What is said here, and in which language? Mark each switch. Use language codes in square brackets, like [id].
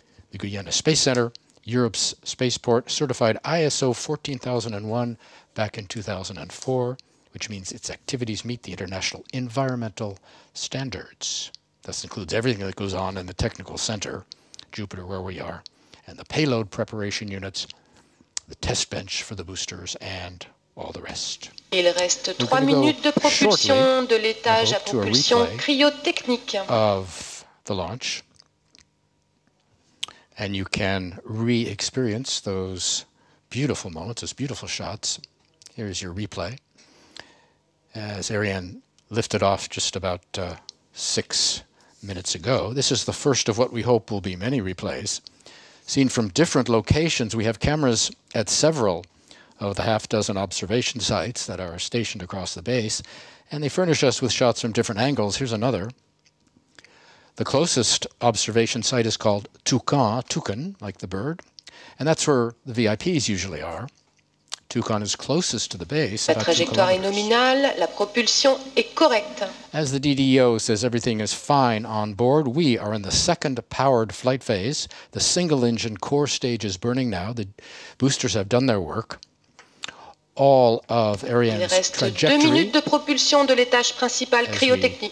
[en] The Guiana Space Center, Europe's spaceport, certified ISO 14001 back in 2004, which means its activities meet the international environmental standards. This includes everything that goes on in the technical center, Jupiter, where we are, and the payload preparation units, the test bench for the boosters, and all the rest. [fr] Il reste 3 minutes de propulsion de l'étage à propulsion cryotechnique. [en] Of the launch. And you can re-experience those beautiful moments, those beautiful shots. Here's your replay. As Ariane lifted off just about 6 minutes ago, this is the first of what we hope will be many replays. Seen from different locations, we have cameras at several of the half dozen observation sites that are stationed across the base, and they furnish us with shots from different angles. Here's another. The closest observation site is called Toucan, like the bird, and that's where the VIPs usually are. Toucan is closest to the base. [fr] La trajectoire est nominale, la propulsion est correcte. [en] As the DDO says, everything is fine on board. We are in the second powered flight phase. The single engine core stage is burning now. The boosters have done their work. All of Ariane's trajectory. [fr] 2 minutes de propulsion de l'étage principal cryotechnique.